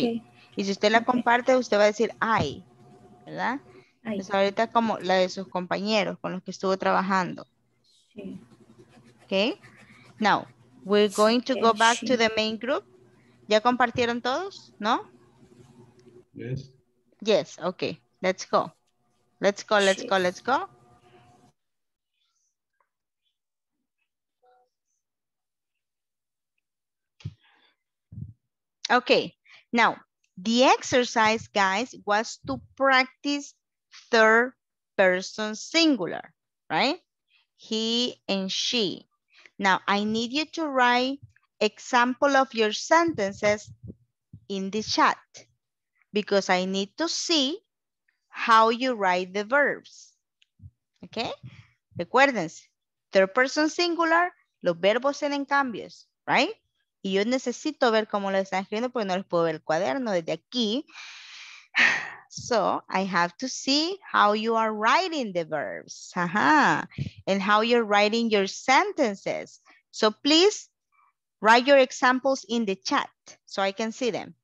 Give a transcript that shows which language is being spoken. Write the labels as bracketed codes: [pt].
[es] Okay. Y si usted la comparte, usted va a decir I, ¿verdad? Entonces ahorita como la de sus compañeros con los que estuvo trabajando. Sí. [en] Okay. Now, we're going to go back to the main group. [es] ¿Ya compartieron todos? ¿No? [en] Yes. Yes, okay. Let's go. Let's go, let's go, let's go. Okay, now the exercise, guys, was to practice third person singular, right? He and she. Now I need you to write example of your sentences in the chat because I need to see how you write the verbs. [es] Okay, recuérdense, [en] third person singular, [es] los verbos tienen cambios, right? Y yo necesito ver cómo lo están escribiendo porque no les puedo ver el cuaderno desde aquí. [en] So, I have to see how you are writing the verbs. Ajá. And how you're writing your sentences. So, please write your examples in the chat so I can see them.